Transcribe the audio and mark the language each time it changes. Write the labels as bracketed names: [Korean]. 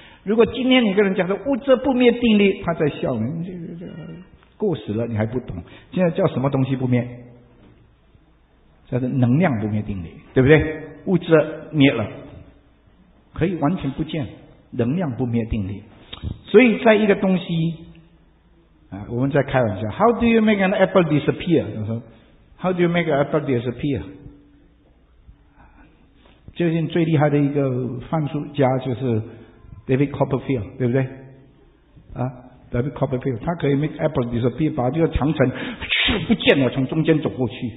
[Chinese] 如果今天你跟人讲的物质不灭定律，他在笑你，过时了，你还不懂。现在叫什么东西不灭？叫做能量不灭定律，对不对？物质灭了，可以完全不见，能量不灭定律。所以在一个东西，我们在开玩笑 ， [English] How do you make an apple disappear？ [Chinese] 他说 [English] ，How do you make an apple disappear？ [Chinese] 最近最厉害的一个放书家就是 David Copperfield， 对不对？啊 ，David Copperfield， 他可以 [English] make apple disappear， [Chinese] 把这个长城是不见了，从中间走过去。